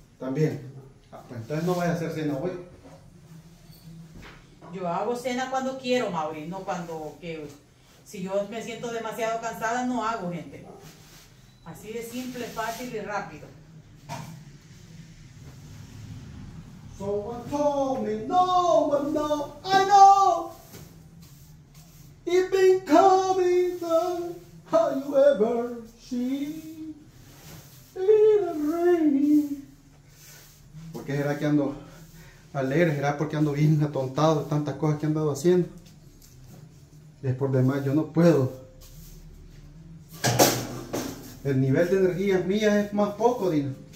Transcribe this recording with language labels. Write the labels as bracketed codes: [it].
[es] También. Pues entonces no vaya a hacer cena hoy. Yo hago cena cuando quiero, Mauri, no cuando que si yo me siento demasiado cansada, no hago, gente. Así de simple, fácil y rápido. [en] Someone told me no, but no, I know. It's been coming down. Have you ever seen in the rain? [es] ¿Por qué será que ando alegre? ¿Será porque ando bien atontado de tantas cosas que he andado haciendo? Es por demás, yo no puedo. El nivel de energía mía es más poco, Dina.